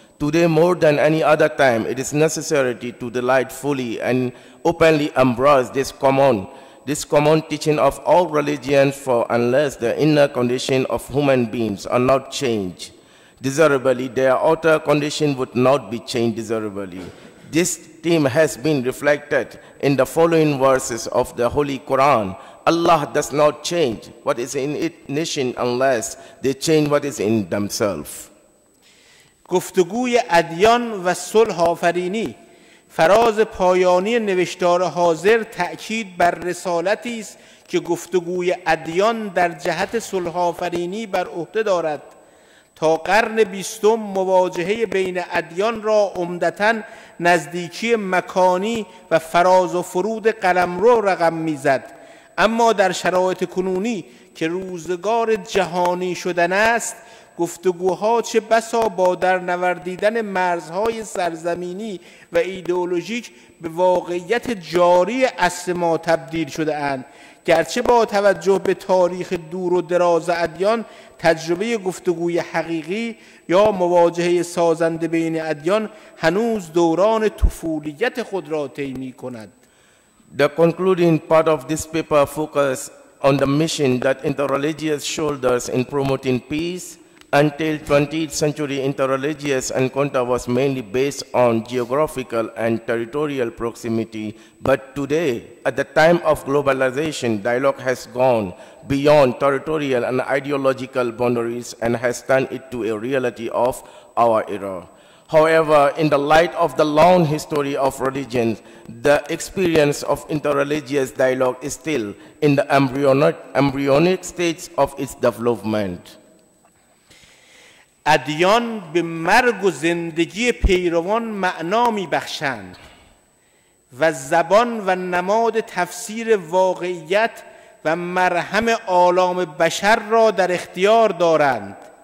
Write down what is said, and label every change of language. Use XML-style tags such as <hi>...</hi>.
<en>Today, more than any other time, it is necessary to delight fully and openly embrace this common teaching of all religions, for unless the inner condition of human beings are not changed desirably, their outer condition would not be changed desirably. This theme has been reflected in the following verses of the Holy Quran. Allah does not change what is in its nation unless they change what is in themselves.</en> <fa>گفتگوی ادیان و صلح آفرینی. فراز پایانی نوشتار حاضر تأکید بر رسالتی است که گفتگوی ادیان در جهت صلح آفرینی بر عهده دارد. تا قرن بیستم مواجهه بین ادیان را عمدتا نزدیکی مکانی و فراز و فرود قلمرو رقم میزد، اما در شرایط کنونی که روزگار جهانی شدن است، گفتگوها چه بسا با در نوردیدن مرزهای سرزمینی و ایدئولوژیک به واقعیت جاری عصر ما تبدیل شده اند. گرچه با توجه به تاریخ دور و دراز ادیان، تجربه گفتگوی حقیقی یا مواجهه سازنده بین ادیان هنوز دوران طفولیت خود را طی می کند.</fa> <en>The concluding part of this paper focus on the mission that interreligious shoulders in promoting peace. Until 20th century, interreligious encounter was mainly based on geographical and territorial proximity. But today, at the time of globalization, dialogue has gone beyond territorial and ideological boundaries and has turned it to a reality of our era. However, in the light of the long history of religions, the experience of interreligious dialogue is still in the embryonic stage of its development.</en> <fa>ادیان به مرگ و زندگی پیروان معنا می بخشند و زبان و نماد تفسیر واقعیت و مرهم عالم بشر را در اختیار دارند.</fa>